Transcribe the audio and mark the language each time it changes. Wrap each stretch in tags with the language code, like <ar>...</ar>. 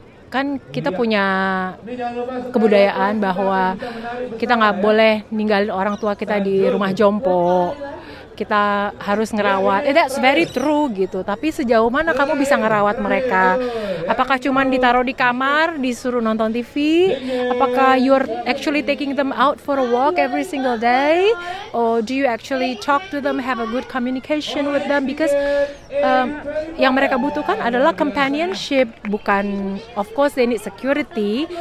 <id>Kan kita punya kebudayaan bahwa kita gak boleh ninggalin orang tua kita di rumah jompo. Kita harus ngerawat.</id> <en>That's very true</en> <id>gitu. Tapi sejauh mana kamu bisa ngerawat mereka? Apakah cuman ditaruh di kamar, disuruh nonton TV? Apakah</id> <en>you're actually taking them out for a walk every single day? Or do you actually talk to them, have a good communication with them? Because</en> <id>yang mereka butuhkan adalah companionship. Bukan,</id> <en>of course they need security.</en>